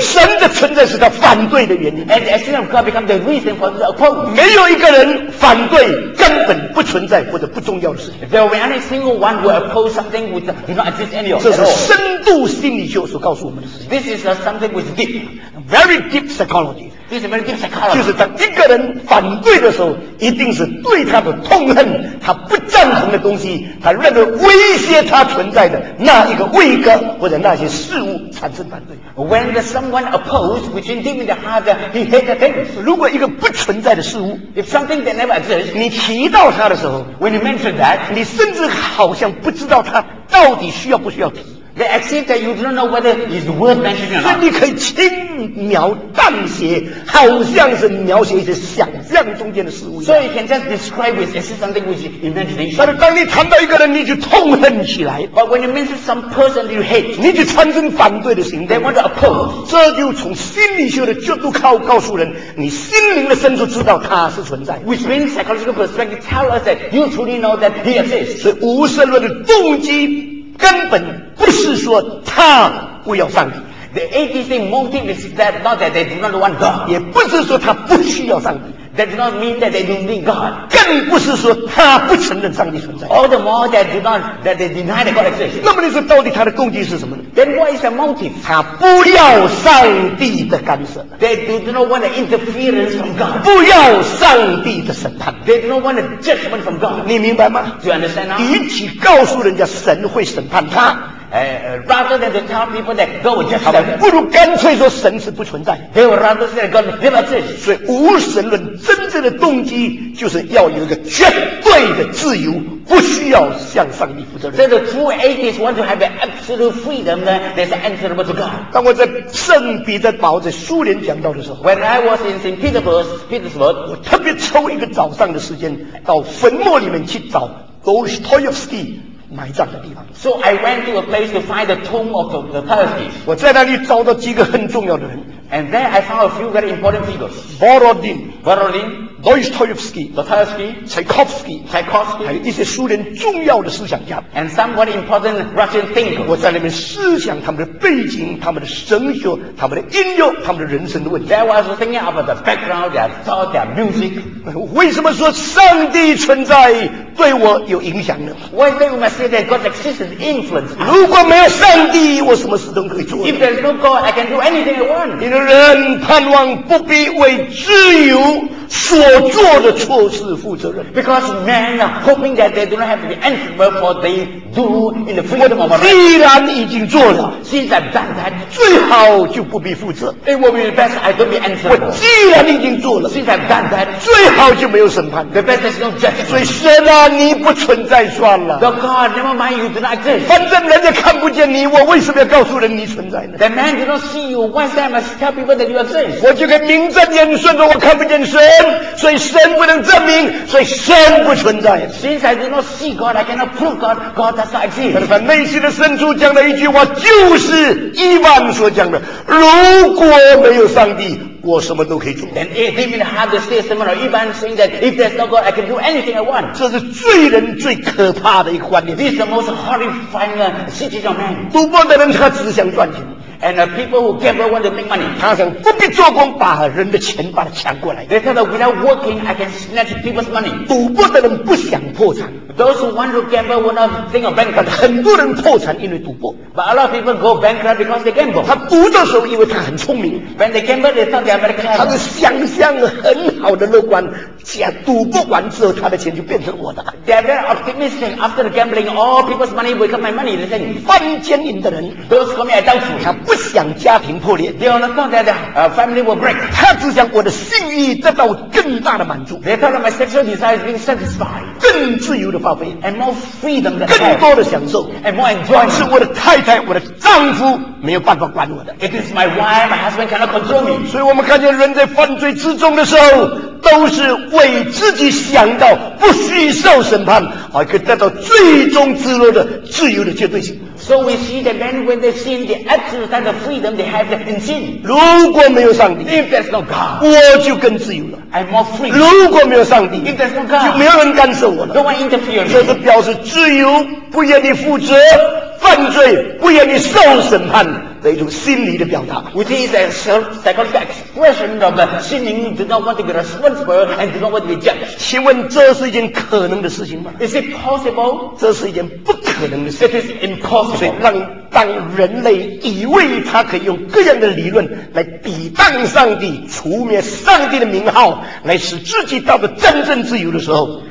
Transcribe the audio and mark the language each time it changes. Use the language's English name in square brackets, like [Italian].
[Chinese] 神的存在是他反对的原因。 [English] And the existence of God becomes the reason for them to oppose. [Chinese] 没有一个人反对根本不存在或者不重要的事情。 [English] There will be any single one who oppose something which does not exist any of. [Chinese] 这是深度心理学所告诉我们的事情。 [English] This is something which is deep, very deep psychology. This is a very deep psychology. [Chinese] 就是当一个人反对的时候，一定是对他的痛恨，他不赞同的东西，他认为威胁他存在的那一个位格或者那些事物产生反对。 [English] When the someone opposed within deep in the heart, he hated things. [Chinese] 如果一个不存在的事物 [English] ，if something that never exists, [Chinese] 你提到他的时候 [English] ，when you mention that, [Chinese] 你甚至好像不知道他到底需要不需要提。 [English] The extent that you don't know whether it's worth mentioning or not. [Chinese] 你可以轻描淡写，好像是描写一些想象中间的事物。 [English] So you can just describe it. Is it something which is imagination? [Chinese] 但是当你谈到一个人，你就痛恨起来。 [English] But when you mention some person you hate, [Chinese] 你就产生反对的心。 [English] They want to oppose. [Chinese] 这就从心理学的角度告诉人，你心灵的深处知道他是存在。 [English] Which means psychological perspective tell us that you truly know that he exists. [Chinese] 所以无神论的动机。根本不是说他不要上帝 [English] The atheist motive is that not that they do not want God [Chinese] 也不是说他不需要上帝 [English] That does not mean that they do not need God [Chinese] 更不是说他不承认上帝存在 [English] All the more that they deny the God exists [Chinese] 那么你说到底他的动机是什么呢 [English] Then what is the motive? [Chinese] 他不要上帝的干涉 [English] They do not want the interference from God [Chinese] 不要上帝的审判 [English] They do not want the judgment from God [Chinese] 你明白吗 [English] Do you understand now? [Chinese] 与其告诉人家神会审判他 [English] rather than to tell people that God will judge them, [Chinese] 不如干脆说神是不存在。 [English] They would rather say that God never exists. [Chinese] 所以无神论真正的动机就是要有一个绝对的自由，不需要向上帝负责任。 [English] So the true atheists want to have absolute freedom, then they are answerable to God. [Chinese] 当我在圣彼得堡在苏联讲道的时候 [English] ，When I was in St. Petersburg, [Chinese] 我特别抽一个早上的时间到坟墓里面去找 Dostoyevsky。埋葬的地方。 [English] So I went to a place to find the tomb of the Tolstoy. [Chinese] 我在那里找到几个很重要的人。 [English] And there I found a few very important figures. Borodin, Dostoevsky, Tchaikovsky, [Chinese] 还有一些苏联重要的思想家。 [English] And some very important Russian thinkers. [Chinese] 我在那边思想他们的背景、他们的神学、他们的音乐、他们的人生的问题。 [English] There was thinking about the background, their thought, their music. [Chinese] 为什么说上帝存在？对我有影响呢 [English] Why do we say that God's existence influences? [Chinese] 如果没有上帝，我什么事都可以做。 [English] If there's no God, I can do anything I want. [Chinese] 你的人盼望不必为自由所做的错事负责任。 [English] Because men are hoping that they do not have to be answerable for what they do in the freedom of our life. [Chinese] 既然已经做了 [English] ，since I've done that, [Chinese] 最好就不必负责。 [English] It will be the best I don't be answerable. [Chinese] 我既然已经做了 [English] ，since I've done that, [Chinese] 最好就没有审判。 [English] The best is no judgment. [Chinese] 所以神啊，你不存在算了。 [English] The God, never mind you do not exist. [Chinese] 反正人家看不见你，我为什么要告诉人你存在呢 [English] ？The man do not see you. Why should I must tell people that you exist? [Chinese] 我就跟名正言顺说，我看不见谁。所以神不能证明，所以神不存在。 [English] Since I do not see God, I cannot prove God. God does not exist. [Chinese] 但是内心的深处讲的一句话，就是伊万所讲的：如果没有上帝，我什么都可以做。 [English] Then deep in the heart, the state similar. Even saying that if there's no God, I can do anything I want. [Chinese] 这是罪人最可怕的一个观念。 [English] This is the most horrifying situation of man. [Chinese] 赌博的人他只想赚钱。 [English] And the people who gamble want to make money. [Chinese] 他想不必做工把人的钱把它抢过来。 [English] They tell them without working I can snatch people's money. [Chinese] 赌博的人不想破产。 [English] Those who want to gamble want to think of bankrupt. [Chinese] 很多人破产因为赌博。 [English] But a lot of people go bankrupt because they gamble. [Chinese] 他赌的时候因为他很聪明。 [English] When they gamble they thought they are very clever. [Chinese] 他的想象很好的乐观，假赌博完之后他的钱就变成我的。 [English] They are very optimistic after the gambling all people's money become my money. They say [Chinese] 犯奸淫的人 [English] those call me a [Chinese] 盗徒他不想家庭破裂 [English] they don't think that the family will break [Chinese] 他只想我的性欲得到更大的满足 [English] they tell them my sexual desire is being satisfied [Chinese] 更自由的发挥 [English] and more freedom than [Chinese] 更多的享受 [English] and more enjoyment [Chinese] 但是我的太太我的丈夫没有办法管我的 [English] it is my wife my husband cannot control me [Chinese] 所以我们看见人在犯罪之中的时候都是为自己想到不需受审判而可以得到最终自由的自由的绝对性 [English] So we see the men when they sin, the exercise of freedom they have in sin. [Chinese] 如果没有上帝 [English] if there's no God, [Chinese] 我就更自由了 [English] I'm more free. [Chinese] 如果没有上帝 [English] if there's no God, [Chinese] 就没有人干涉我了 [English] no one interferes. [Chinese] 这是表示自由不愿意负责犯罪不愿意受审判的一种心理的表达 [English] which is a psychological expression of the sinning do not want to be responsible and do not want to be judged [Chinese] 请问这是一件可能的事情吗 [English] is it possible [Chinese] 这是一件不可能的事情 [English] it is impossible [Chinese] 所以让当人类以为他可以用各样的理论来抵挡上帝除灭上帝的名号来使自己到了真正自由的时候